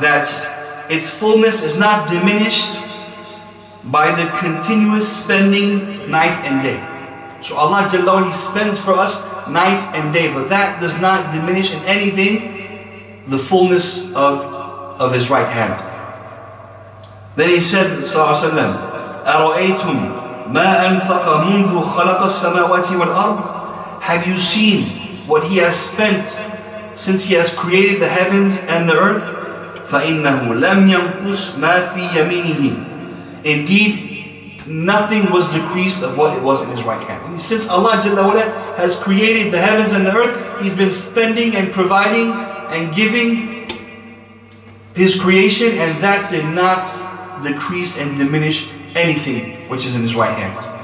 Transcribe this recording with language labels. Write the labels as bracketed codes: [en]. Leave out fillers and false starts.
[en] That its fullness is not diminished by the continuous spending night and day. So Allah Jalla, He spends for us night and day. But that does not diminish in anything the fullness of His right hand. Then he said, sallallahu alayhi wa sallam, [ar] أَرَأَيْتُمْ ما أنفق منذ خلق السماوات والأرض. [en] Have you seen what he has spent since he has created the heavens and the earth? [ar] فإنه لم ينقص ما في يمينه. [en] Indeed, nothing was decreased of what it was in his right hand. Since Allah Jalla Wala has created the heavens and the earth, he's been spending and providing and giving his creation, and that did not decrease and diminish anything which is in his right hand.